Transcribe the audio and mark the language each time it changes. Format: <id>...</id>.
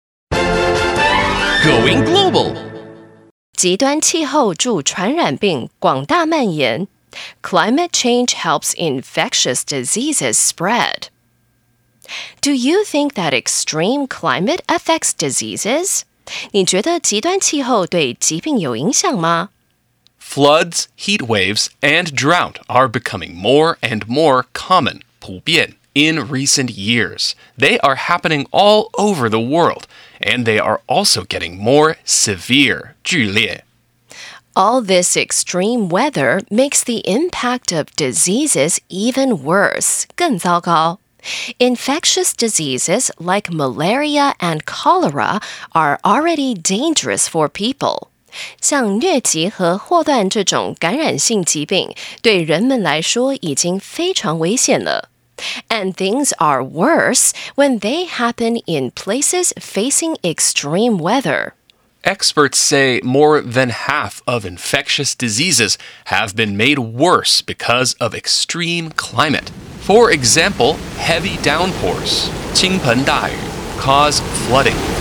<en>Going global!</en> <zh>极端气候助传染病广大蔓延</zh> <en>Climate change helps infectious diseases spread. Do you think that extreme climate affects diseases?</en> <zh>你觉得极端气候对疾病有影响吗?</zh> <en>Floods, heat waves, and drought are becoming more and more common,</en> <zh>普遍,</zh> <en>in recent years. They are happening all over the world, and they are also getting more severe,</en> <zh>剧烈.</zh> <en>All this extreme weather makes the impact of diseases even worse,</en> <zh>更糟糕.</zh> <en>Infectious diseases like malaria and cholera are already dangerous for people.</en> <zh>像瘧疾和霍亂這種感染性疾病對人們來說已經非常危險了。</zh> <en>And things are worse when they happen in places facing extreme weather. Experts say more than half of infectious diseases have been made worse because of extreme climate. For example, heavy downpours,</en> <zh>傾盆大雨,</zh> <en>cause flooding.</en>